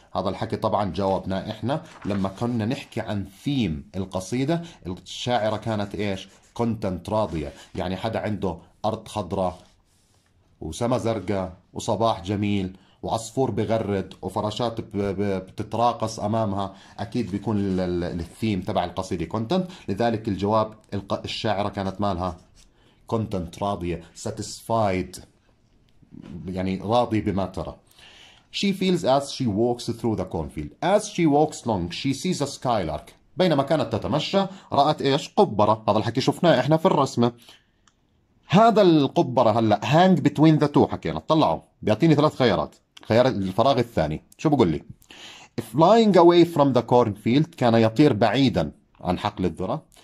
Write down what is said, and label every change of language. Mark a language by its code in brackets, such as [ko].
[ar] هذا الحكي طبعا جاوبنا إحنا لما كنا نحكي عن ثيم القصيدة، الشاعرة كانت إيش؟ كونتنت راضية، يعني حدا عنده أرض خضراء وسما زرقاء وصباح جميل وعصفور بغرد وفراشات بتتراقص أمامها، أكيد بيكون الثيم تبع القصيدة كونتنت، لذلك الجواب الشاعرة كانت مالها؟ كونتنت راضية، ساتيسفايد يعني راضي بما ترى. [en] She feels as she walks through the cornfield. As she walks along, she sees a skylark. [ar] بينما كانت تتمشى رأت إيش؟ قبرة. هذا الحكي شفناه إحنا في الرسمة. هذا القبرة هلأ hang between the two حكينا، طلعوا بيعطيني ثلاث خيارات. خيار الفراغ الثاني شو بقول لي؟ Flying away from the cornfield، كان يطير بعيدا عن حقل الذرة.